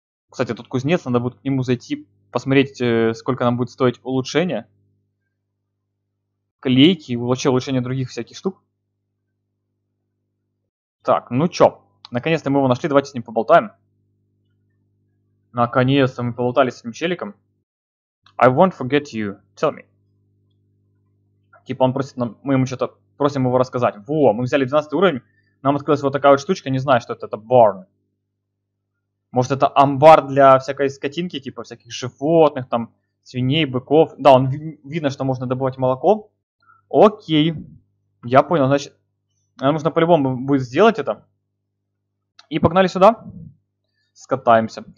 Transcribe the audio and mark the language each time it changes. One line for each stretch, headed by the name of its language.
Russian: Кстати, тут кузнец, надо будет к нему зайти, посмотреть, сколько нам будет стоить улучшение. Клейки, вообще улучшение других всяких штук. Так, ну чё, наконец-то мы его нашли, давайте с ним поболтаем. Наконец-то мы поболтали с этим челиком.
English: I won't forget you, tell me.
Russian: Типа он просит нам, мы ему что-то просим его рассказать. Во, мы взяли 12 уровень, нам открылась вот такая вот штучка, не знаю, что это barn. Может, это амбар для всякой скотинки, типа всяких животных, там, свиней, быков. Да, он видно, что можно добывать молоко. Окей, я понял, значит, нам нужно по-любому будет сделать это. И погнали сюда. Скатаемся.